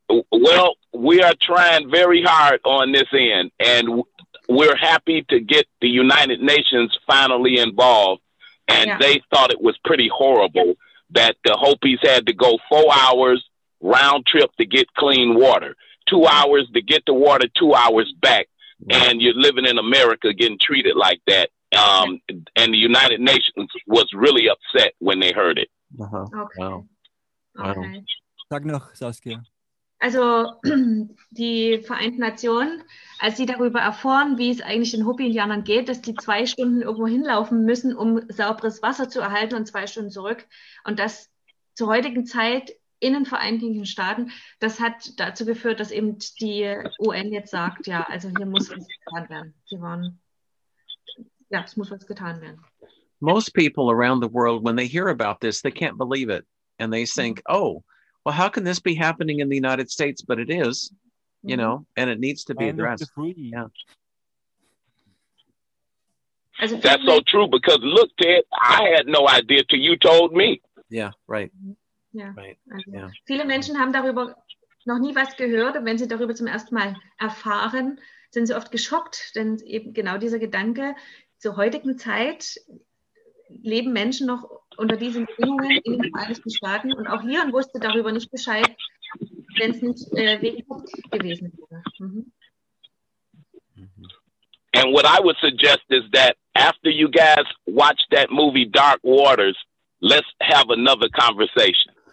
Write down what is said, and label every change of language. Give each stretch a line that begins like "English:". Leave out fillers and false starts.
English: Well, we are trying very hard on this end, and we're happy to get the United Nations finally involved, and they thought it was pretty horrible that the Hopis had to go 4 hours round trip to get clean water, 2 hours to get the water, 2 hours back, and you're living in America getting treated like that. And the United Nations was really upset when they heard it. Okay.
German: Also die Vereinten Nationen, als sie darüber erfahren, wie es eigentlich den Hopi-Indianern geht, dass die 2 Stunden irgendwo hinlaufen müssen, um sauberes Wasser zu erhalten und 2 Stunden zurück. Und das zur heutigen Zeit in den Vereinigten Staaten, das hat dazu geführt, dass eben die UN jetzt sagt, ja, also hier muss was getan werden. Es muss was getan werden.
English: Most people around the world, when they hear about this, they can't believe it. and they think, oh, well, how can this be happening in the United States? But it is, you know, and it needs to be addressed. That's so true, because look, Ted, I had no idea till you told me.
German: Viele Menschen haben darüber noch nie was gehört, und wenn sie darüber zum ersten Mal erfahren, sind sie oft geschockt, denn eben genau dieser Gedanke, zur heutigen Zeit leben Menschen noch unter diesen Bedingungen in den Vereinigten Staaten, und auch Hiron wusste darüber nicht Bescheid, wenn es nicht wegen Krieg gewesen wäre.
English: And what I would suggest is that after you guys watch that movie Dark Waters, let's have another conversation.